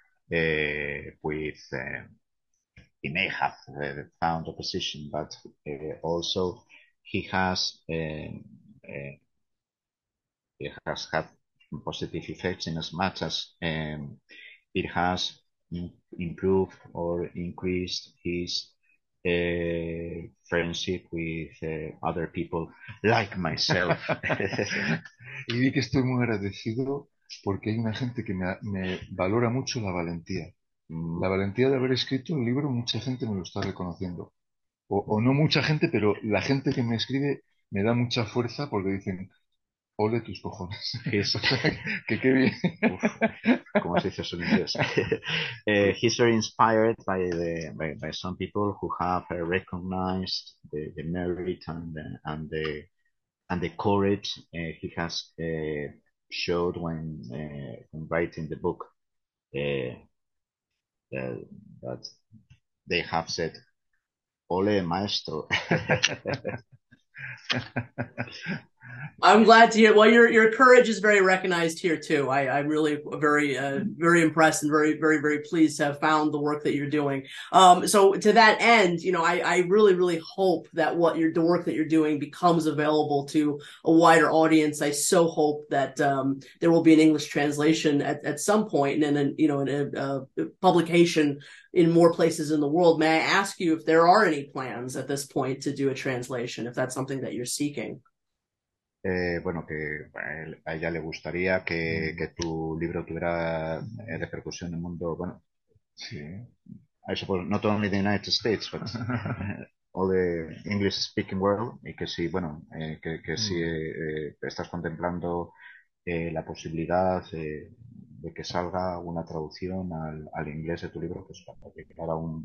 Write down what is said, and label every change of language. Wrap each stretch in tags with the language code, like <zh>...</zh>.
<en>He may have found opposition, but also he has had positive effects in as much as it has improved or increased his friendship with other people like myself.</en> <es>Y vi que estoy muy agradecido porque hay una gente que me valora mucho la valentía. La valentía de haber escrito el libro, mucha gente me lo está reconociendo. O no mucha gente, pero la gente que me escribe me da mucha fuerza porque dicen, ole tus cojones. O sea, que qué Uf, ¿cómo se dice eso en inglés? bien.</es> <en>He's very inspired by by some people who have recognized the merit and the courage he has showed when writing the book. That they have said,</en> <es>"Ole, maestro."</es> <en>I'm glad to hear. Well, your courage is very recognized here too. I'm really very very impressed and very very very pleased to have found the work that you're doing. So to that end, I really really hope that the work that you're doing becomes available to a wider audience. I so hope that there will be an English translation at some point and then a publication in more places in the world. May I ask you if there are any plans at this point to do a translation, if that's something that you're seeking?</en> <es>Bueno, que a ella le gustaría que tu libro tuviera repercusión en el mundo. Bueno, Sí.</es> <en>I suppose not only the United States, but all the English-speaking world.</en> <es>Y que si, bueno, que si estás contemplando la posibilidad de que salga una traducción al inglés de tu libro, pues para llegar a una</es>